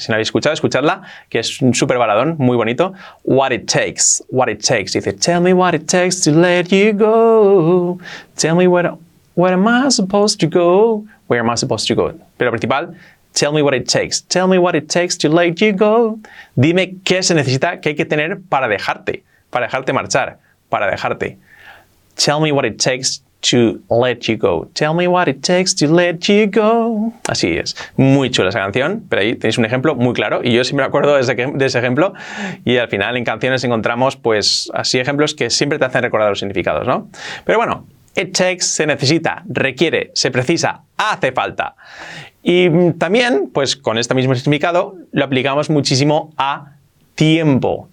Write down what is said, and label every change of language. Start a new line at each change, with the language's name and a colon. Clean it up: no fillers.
Spanish: Si no la habéis escuchado, escuchadla, que es un súper baladón, muy bonito.
English: What it takes, what it takes. Dice, tell me what it takes to let you go. Tell me what... Where am I supposed to go? Where am I supposed to go?
Spanish: Pero principal,
English: tell me what it takes. Tell me what it takes to let you go.
Spanish: Dime qué se necesita, qué hay que tener para dejarte marchar, para dejarte.
English: Tell me what it takes to let you go. Tell me what it takes to let you go.
Spanish: Así es. Muy chula esa canción, pero ahí tenéis un ejemplo muy claro y yo siempre me acuerdo de ese ejemplo y al final en canciones encontramos pues así ejemplos que siempre te hacen recordar los significados, ¿no? Pero bueno, it takes, se necesita, requiere, se precisa, hace falta. Y también, pues con este mismo significado, lo aplicamos muchísimo a tiempo.